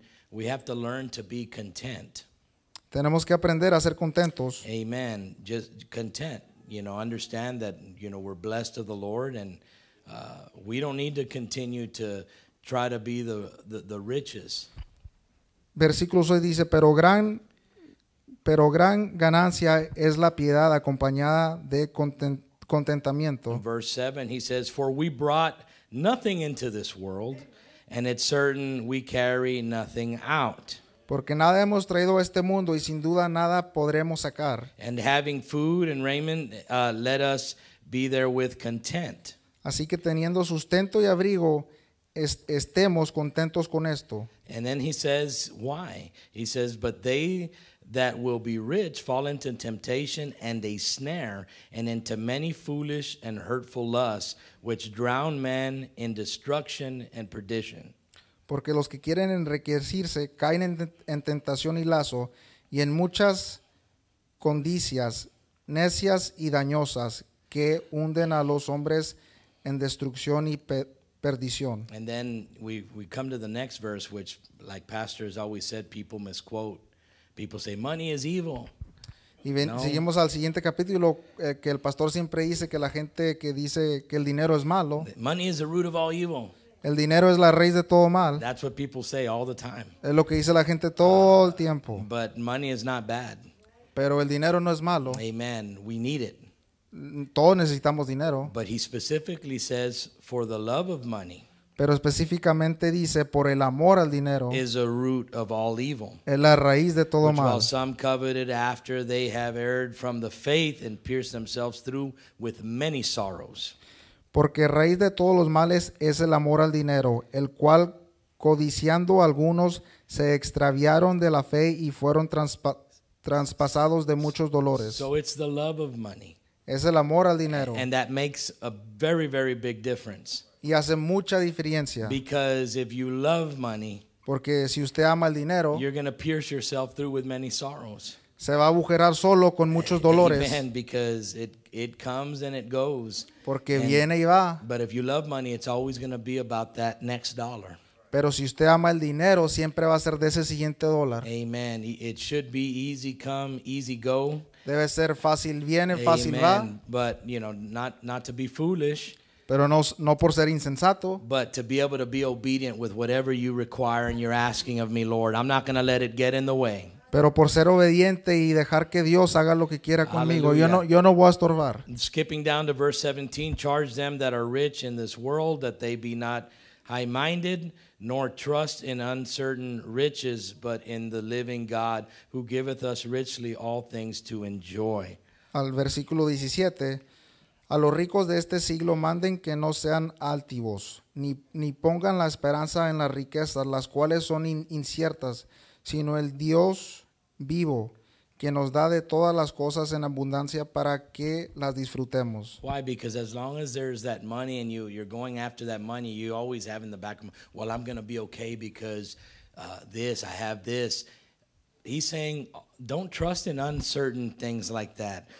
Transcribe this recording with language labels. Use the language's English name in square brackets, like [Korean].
[English] We have to learn to be content. [Spanish] Tenemos que aprender a ser contentos. [English] Amen. Just content. You know, understand that, you know, we're blessed of the Lord, and we don't need to continue to try to be the riches. [Spanish] Versículo 6 dice, pero gran ganancia es la piedad acompañada de contentamiento. [English] In verse 7, he says, for we brought nothing into this world, and it's certain we carry nothing out. [Spanish] Porque nada hemos traído a este mundo y sin duda nada podremos sacar. [English] And having food and raiment, let us be there with content. [Spanish] Así que teniendo sustento y abrigo, estemos contentos con esto. [English] And then he says, why? He says, but they that will be rich fall into temptation and a snare and into many foolish and hurtful lusts which drown men in destruction and perdition. [Spanish] Porque los que quieren enriquecerse caen en tentación y lazo y en muchas condicias necias y dañosas que hunden a los hombres en destrucción y perdición. [English] And then we come to the next verse, which, like pastors always said, people misquote. People say money is evil. [Spanish] Y ven, no. Seguimos al siguiente capítulo, que el pastor siempre dice que la gente que dice que el dinero es malo. [English] Money is the root of all evil. [Spanish] El dinero es la raíz de todo mal. [English] That's what people say all the time. [Spanish] Es lo que dice la gente todo el tiempo. [English] But money is not bad. [Spanish] Pero el dinero no es malo. [English] Amen. We need it. [Spanish] Todos necesitamos dinero. [English] But he specifically says for the love of money. [Spanish] Pero específicamente dice, por el amor al dinero, [English] is a root of all evil, [Spanish] es la raíz de todo mal. [English] While some coveted after they have erred from the faith and pierced themselves through with many sorrows. [Spanish] Porque raíz de todos los males es el amor al dinero, el cual codiciando algunos se extraviaron de la fe y fueron traspasados de muchos dolores. [English] So it's the love of money. [Spanish] Es el amor al dinero. [English] And that makes a very, very big difference. [Spanish] Y hace mucha diferencia. [English] Because if you love money, [Spanish] porque si usted ama el dinero, [English] you're going to pierce yourself through with many sorrows. [Spanish] Se va a agujerar solo con muchos dolores. [English] Amen. Because it comes and it goes. [Spanish] Porque viene y va. [English] But if you love money, it's always going to be about that next dollar. [Spanish] Pero si usted ama el dinero, siempre va a ser de ese siguiente dólar. [English] Amen. It should be easy come, easy go. [Spanish] Debe ser fácil viene, fácil va. [English] Amen. But you know, not to be foolish. [Spanish] Pero no por ser insensato. [English] But to be able to be obedient with whatever you require and you're asking of me, Lord, I'm not going to let it get in the way. [Spanish] Pero por ser obediente y dejar que Dios haga lo que quiera conmigo. Hallelujah. Yo no voy a estorbar. [English] Skipping down to verse 17, charge them that are rich in this world that they be not high-minded, nor trust in uncertain riches, but in the living God who giveth us richly all things to enjoy. [Spanish] Al versículo 17. A los ricos de este siglo manden que no sean altivos, ni pongan la esperanza en las riquezas, las cuales son inciertas, sino el Dios vivo, que nos da de todas las cosas en abundancia para que las disfrutemos. [English] Why? Because as long as there's that money and you're going after that money, you always have in the back of mind, well, I'm going to be okay because this, I have this. He's saying, don't trust in uncertain things like that.